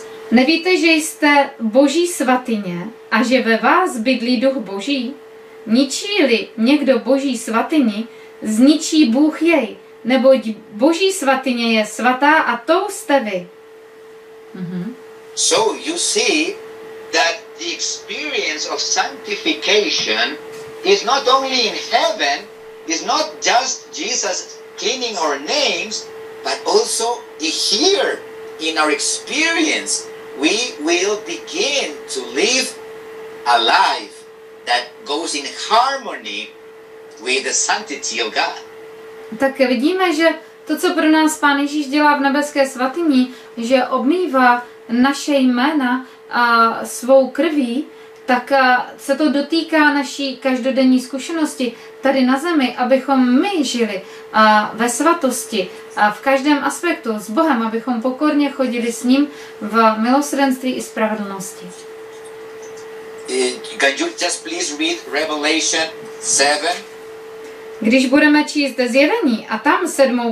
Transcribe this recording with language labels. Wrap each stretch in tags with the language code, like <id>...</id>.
<cs>Nevíte, že jste Boží svatyně a že ve vás bydlí Duch Boží? Ničí-li někdo Boží svatyni, zničí Bůh jej, neboť Boží svatyně je svatá a tou jste vy.</cs> <en>So you see that the experience of sanctification is not only in heaven, is not just Jesus cleaning our names, but also here in our experience, we will begin to live a life that goes in harmony with the sanctity of God.</en> <cs>Tak vidíme, že to, co pro nás Pán Ježíš dělá v nebeské svatyni, že obmývá naše jména a svou krví, tak se to dotýká naší každodenní zkušenosti tady na zemi, abychom my žili ve svatosti a v každém aspektu s Bohem, abychom pokorně chodili s ním v milosrdenství i spravedlnosti.</cs> <en>Can you just please read Revelation 7?</en> <cs>Když budeme číst Zjevení a tam 7.</cs>